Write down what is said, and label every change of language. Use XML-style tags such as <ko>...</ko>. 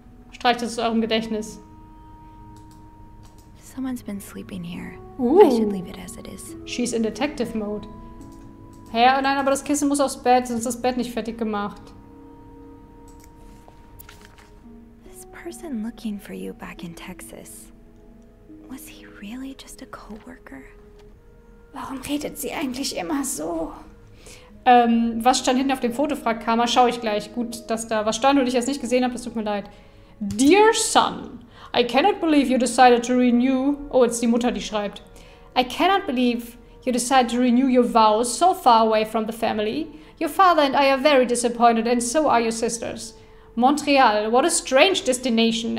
<de>Streicht das aus eurem Gedächtnis.</de> <en>Someone's been sleeping here. I should leave it as it is. She's in detective mode. Hä?</en> <de>Hey, oh nein, aber das Kissen muss aufs Bett, sonst ist das Bett nicht fertig gemacht.</de> <en>This person looking for you back in Texas. Was he really just a coworker?</en> <de>Warum redet sie eigentlich immer so? Was stand hinten auf dem Foto, fragt Karma. Schau ich gleich. Gut, dass da was stand und ich es nicht gesehen habe, das tut mir leid.</de> <en>Dear son, I cannot believe you decided to renew...</en> <de>Oh, jetzt die Mutter, die schreibt.</de> <en>I cannot believe you decided to renew your vows so far away from the family. Your father and I are very disappointed and so are your sisters. Montreal, what a strange destination.</en>